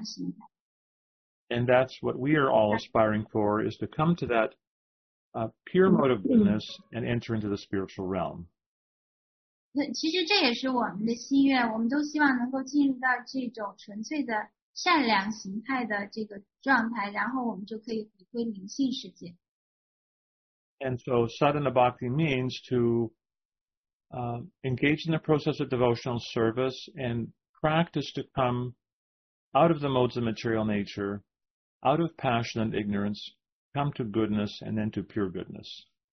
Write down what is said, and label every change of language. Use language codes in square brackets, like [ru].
[en] that's what we are all aspiring for, is to come to that pure mode of goodness and enter into the spiritual realm. [zh] 其实这也是我们的心愿，我们都希望能够进入到这种纯粹的善良形态的这个状态，然后我们就可以回归灵性世界。 [en] And so sadhana bhakti means to engage in the process of devotional service and practice to come out of the modes of material nature, out of passion and ignorance, come to goodness and then to pure goodness.